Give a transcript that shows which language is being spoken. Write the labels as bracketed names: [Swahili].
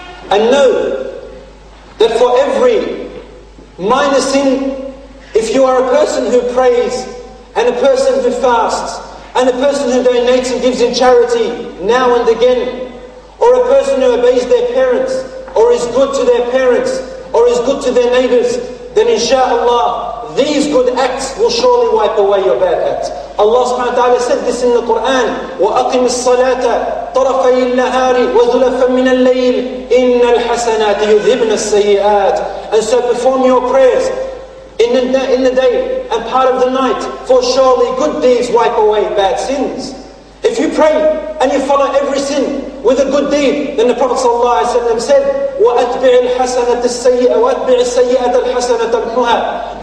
[English] And know that for every minor sin, if you are a person who prays, and a person who fasts, and a person who donates and gives in charity now and again, or a person who obeys their parents, or is good to their parents, or is good to their neighbors, then inshaAllah, these good acts will surely wipe away your bad acts. Allah subhanahu wa ta'ala said this in the Quran, [Arabic] وَأَقِمِ الصَّلَاةَ طَرَفَيِ النَّهَارِ وَزُلَفًا مِنَ اللَّيْلِ إِنَّ الْحَسَنَاتِ يُذْهِبْنَ السَّيِّئَاتِ. [English] And so perform your prayers in the day and part of the night, for surely good deeds wipe away bad sins. If you pray and you follow every sin with a good deed, then the Prophet said, [Arabic] وَأَتْبِعِ الْحَسَنَةَ السَّيِّئَةَ وَأَتْبِعِ السَّيِّئَةَ الْحَسَنَةَ الْحُهَا.